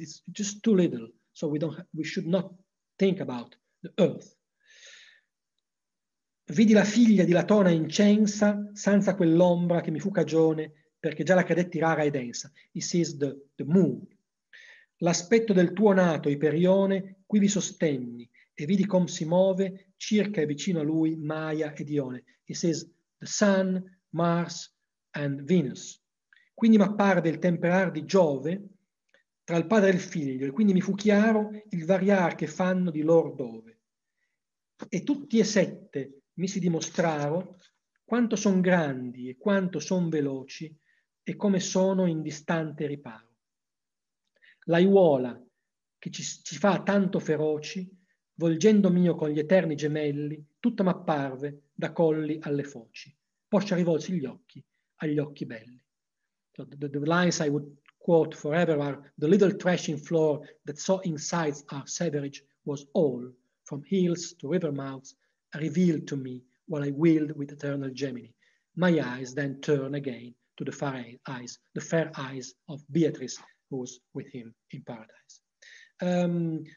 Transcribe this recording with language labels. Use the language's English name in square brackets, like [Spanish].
[English] It's just too little, so we should not think about the earth. [Italian] vidi la figlia di Latona incensa, senza quell'ombra che mi fu cagione, perché già la credetti rara e densa. [English] He sees the moon. [Italian] L'aspetto del tuo nato, Iperione, qui vi sostenni, e vidi com si muove, circa e vicino a lui, Maia e Dione. [English] He sees the sun, Mars, and Venus. [Italian] Quindi m'apparve il temperar di Giove tra il padre e il figlio, e quindi mi fu chiaro il variar che fanno di lor dove. E tutti e sette mi si dimostraro quanto son grandi e quanto son veloci e come sono in distante riparo. L'aiuola, che ci fa tanto feroci, volgendo mio con gli eterni gemelli, tutta m'apparve da colli alle foci. Poscia rivolsi gli occhi agli occhi belli. [English] So the lines I would quote forever are: the little threshing floor that saw inside our savage was all, from hills to river mouths, revealed to me while I wheeled with eternal Gemini. My eyes then turn again to the far eyes, the fair eyes of Beatrice, who was with him in paradise.